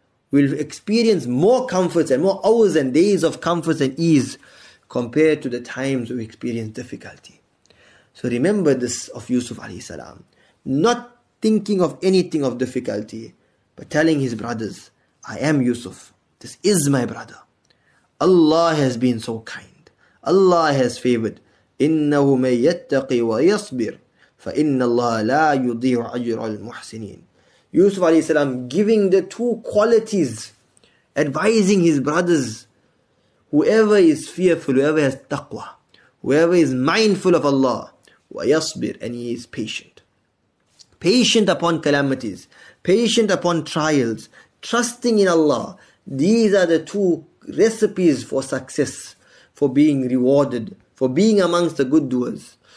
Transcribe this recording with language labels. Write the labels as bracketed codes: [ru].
[en] We'll experience more comforts and more hours and days of comforts and ease compared to the times we experience difficulty. So remember this of Yusuf alayhi salam, not thinking of anything of difficulty, but telling his brothers, I am Yusuf. This is my brother. Allah has been so kind. Allah has favored. [ar] إِنَّهُ مَنْ يَتَّقِي وَيَصْبِرْ فَإِنَّ اللَّهَ لَا يُضِيعُ أَجْرَ الْمُحْسِنِينَ Yusuf a.s. [en] giving the two qualities, advising his brothers, whoever is fearful, whoever has taqwa, whoever is mindful of Allah, وَيَصْبِرْ and he is patient. Patient upon calamities, patient upon trials, trusting in Allah, these are the two recipes for success, for being rewarded, for being amongst the good doers.